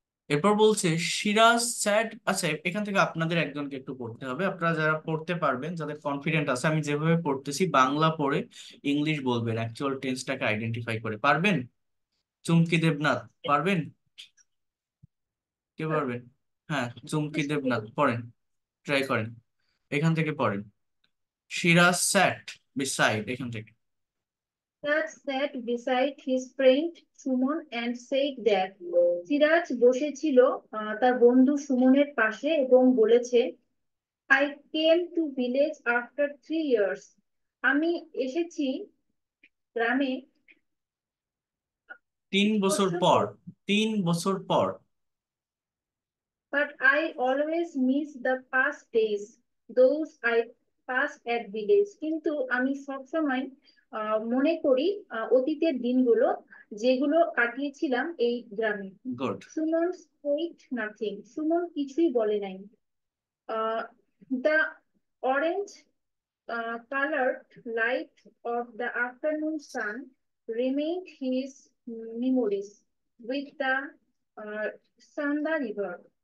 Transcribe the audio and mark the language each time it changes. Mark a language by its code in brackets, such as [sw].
[bn] এরপর বলছে সিরাজ স্যাট, আচ্ছা এখান থেকে আপনাদের একজনকে একটু পড়তে হবে, আপনারা যারা পড়তে পারবেন, যাদের কনফিডেন্ট আছে, আমি যেভাবে পড়তেছি বাংলা পড়ে ইংলিশ বলবেন, অ্যাকচুয়াল টেন্সটাকে আইডেন্টিফাই করে। পারবেন? চুমকি দেবনাথ পারবেন? কে পারবেন? হ্যাঁ, চুমকি দেবনাথ পড়েন, ট্রাই করেন, এখান থেকে পড়েন। সিরাজ [en] sat beside, [bn] এখান থেকে। [en] Siraj sat beside his friend Sumon and said that Siraj [bn] বসেছিল তার বন্ধু সুমনের পাশে এবং বলেছে [en] I came to village after 3 years. [bn] আমি এসেছি গ্রামে 3 বছর বছর পর, পর 3 বছর পর। [en] but I always miss the past days those I passed at village. [bn] কিন্তু আমি সবসময় মনে করি অতীতের দিনগুলো যেগুলো কাটিয়েছিলাম এই গ্রামে। Good, Suman [en] spoke nothing, [bn] Suman কিছুই বলে নাই। [en] The orange coloured light of the afternoon sun reminded his memories with the Sanda river.